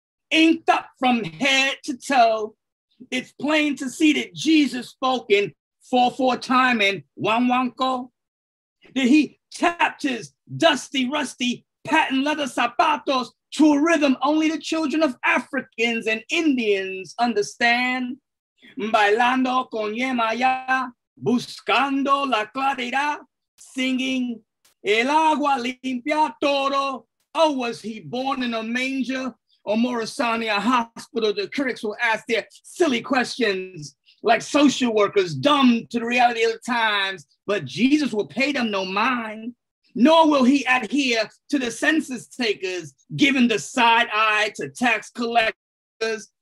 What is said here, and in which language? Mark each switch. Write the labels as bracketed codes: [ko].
[en] Inked up from head to toe, it's plain to see that Jesus spoke in 4/4 time and wanwanko. Then he tapped his dusty, rusty, patent leather zapatos to a rhythm only the children of Africans and Indians understand. [es] Bailando con Yemaya, buscando la claridad, [en] singing [es] el agua limpia todo. [en] Oh, was he born in a manger? Or Morrisania Hospital, the critics will ask their silly questions like social workers, dumb to the reality of the times, but Jesus will pay them no mind, nor will he adhere to the census takers, giving the side eye to tax collectors.